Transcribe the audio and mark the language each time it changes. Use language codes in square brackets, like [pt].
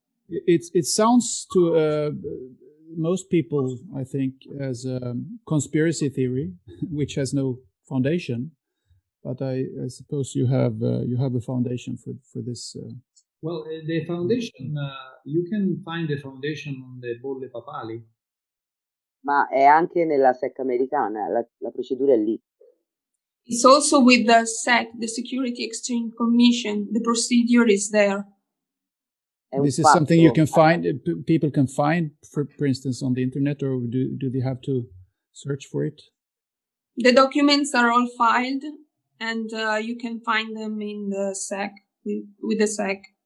[en] It sounds to most people, I think, as a conspiracy theory, which has no foundation. But I suppose you have a foundation for this. Well, the foundation, you can find the foundation on the bolle papali. [it] Ma è anche nella SEC americana, la procedura è lì. [en] It's also with the SEC, the Security Exchange Commission, the procedure is there. This is something you can find, people can find, for instance, on the internet, or do they have to search for it? The documents are all filed, and you can find them in the SEC, with the SEC.